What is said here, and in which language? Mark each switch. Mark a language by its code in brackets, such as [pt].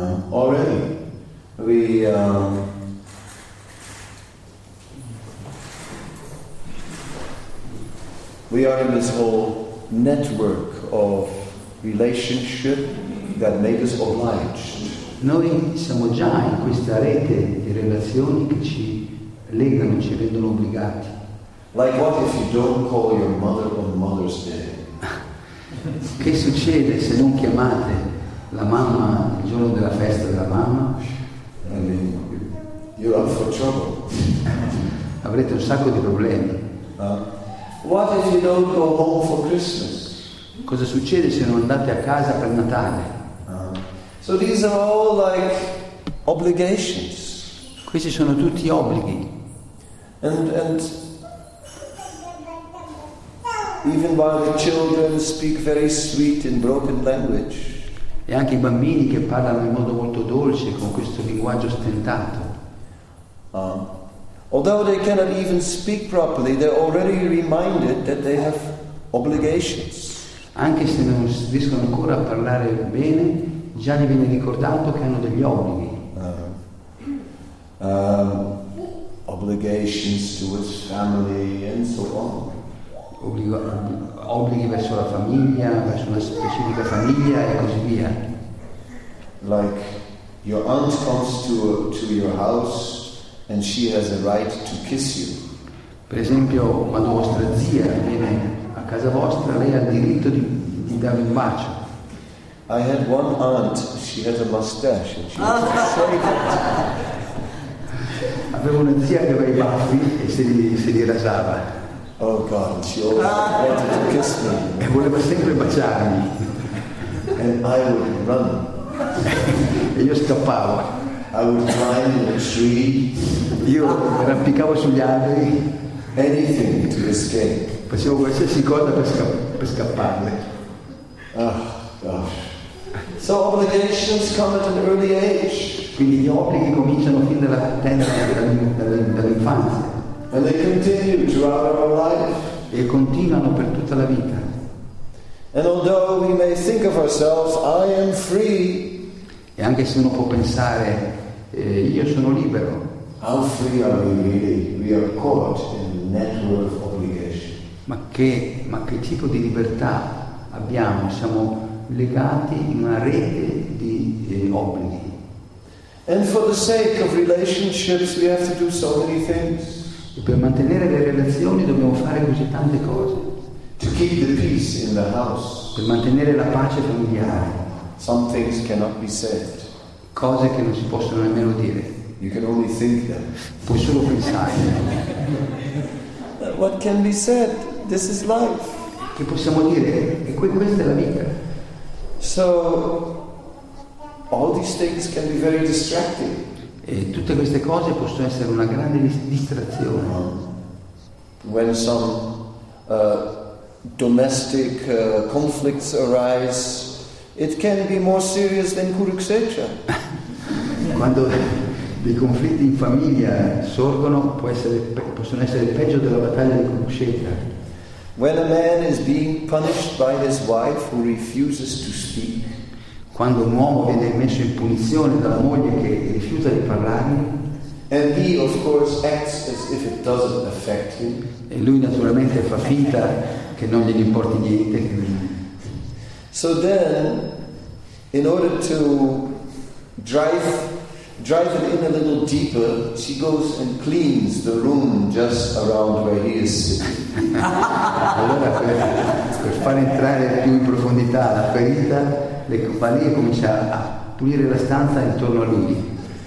[en] Already we we are in this whole network of relationship that make us obliged. [it] Noi siamo già in questa rete di relazioni che ci legano, ci rendono obbligati. [en] Like what if you don't call your mother on Mother's Day? [it] Che succede se non chiamate la mamma il giorno della festa della mamma? [en] I mean, you're up for trouble. [it] Avrete un sacco di problemi. [en] What if you don't go home for Christmas? [it] Cosa succede se non andate a casa per Natale? [en] So these are all like obligations. [it] Questi sono tutti obblighi. [en] And even while the children speak very sweet in broken language. [it] E anche i bambini che parlano in modo molto dolce con questo linguaggio stentato. [en] Although they cannot even speak properly, they're already reminded that they have obligations. [it] Anche se non riescono ancora a parlare bene, già gli viene ricordato che hanno degli obblighi. [en] Obligations towards family and so on. [it] Obblighi verso la famiglia, verso una specifica famiglia e così via. [en] Like your aunt comes to your house and she has a right to kiss you. [it] Per esempio, quando vostra zia viene a casa vostra, lei ha il diritto di darvi un bacio. [en] I had one aunt, she had a mustache and she was so good. [it] Avevo una zia che aveva i baffi e se li rasava. [en] Oh God, she always wanted to kiss me. [it] E voleva sempre baciarmi. [en] And I would run. [it] E io scappavo. [en] I would climb in a tree. [it] Io arrampicavo sugli alberi. [en] Anything to escape. [it] Facevo qualsiasi cosa per scapparle. [en] Oh gosh. So obligations come at an early age. [it] Quindi gli obblighi cominciano fin dalla tenera dall'infanzia. [en] And they continue throughout our life. [it] E continuano per tutta la vita. [en] And although we may think of ourselves, I am free. [it] E anche se uno può pensare, io sono libero. [en] How free are we really? We are caught in a network of obligation. [it] Ma che tipo di libertà abbiamo? Siamo legati in una rete di obblighi. [en] And for the sake of relationships, we have to do so many things. [it] E per mantenere le relazioni dobbiamo fare così tante cose. [en] To keep the peace in the house. [it] Per mantenere la pace familiare. [en] Some things cannot be said. [it] Cose che non si possono nemmeno dire. [en] You can only think them. [it] Puoi solo pensare. [en] What can be said? This is life. [it] Che possiamo dire? E questa è la vita. [en] So all these things can be very distracting. [it] E tutte queste cose possono essere una grande distrazione. [en] When some domestic conflicts arise, it can be more serious than Kurukshetra. [it] Quando dei conflitti in famiglia sorgono, possono essere peggio della battaglia di Kurukshetra. [en] When a man is being punished by his wife who refuses to speak. [it] Quando un uomo viene messo in punizione dalla moglie che rifiuta di parlare, [en] and he of course acts as if it doesn't affect him. [it] E lui naturalmente fa finta che non gli importi niente. [en] So then, in order to drive it in a little deeper, she goes and cleans the room just around where he is sitting. [it] Allora per far entrare più in profondità la ferita, le compagnie comincia a pulire la stanza intorno a lui.